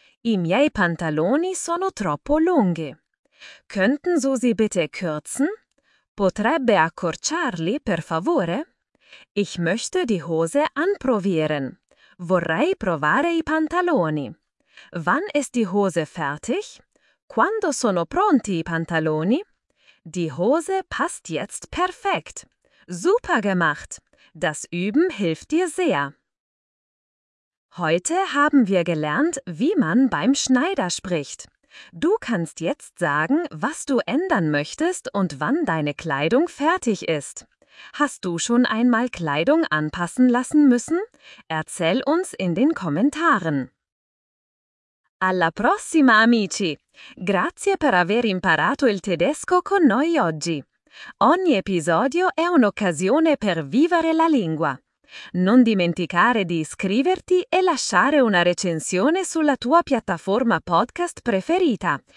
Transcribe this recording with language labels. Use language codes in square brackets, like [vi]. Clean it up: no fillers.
[it] I miei pantaloni sono troppo lunghi. [de] Könnten Sie sie bitte kürzen? [it] Potrebbe accorciarli, per favore? [de] Ich möchte die Hose anprobieren. [it] Vorrei provare i pantaloni. [de] Wann ist die Hose fertig? [it] Quando sono pronti i pantaloni? [de] Die Hose passt jetzt perfekt. Super gemacht! Das Üben hilft dir sehr. Heute haben wir gelernt, wie man beim Schneider spricht. Du kannst jetzt sagen, was du ändern möchtest und wann deine Kleidung fertig ist. Hast du schon einmal Kleidung anpassen lassen müssen? Erzähl uns in den Kommentaren. [it] Alla prossima, amici! Grazie per aver imparato il tedesco con noi oggi. Ogni episodio è un'occasione per vivere la lingua. Non dimenticare di iscriverti e lasciare una recensione sulla tua piattaforma podcast preferita.